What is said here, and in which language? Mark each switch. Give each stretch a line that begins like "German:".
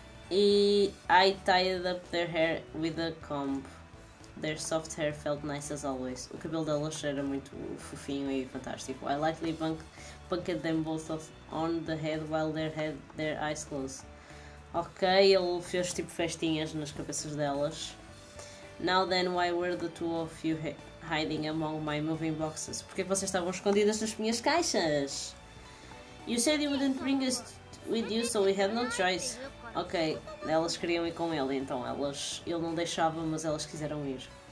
English: E I tied up their hair with a comb. Their soft hair felt nice as always.
Portuguese: O cabelo delas era muito fofinho e fantástico.
English: I lightly bunked them both on the head while they had their eyes closed.
Portuguese: Ok, ele fez tipo festinhas nas cabeças delas.
English: Now then, why were the two of you hiding among my moving boxes?
Portuguese: Porque vocês estavam escondidas nas minhas caixas?
English: You said you wouldn't bring us with you, so we had no choice.
Portuguese: Ok, elas queriam ir com ele, então elas... Ele não deixava, mas elas quiseram ir.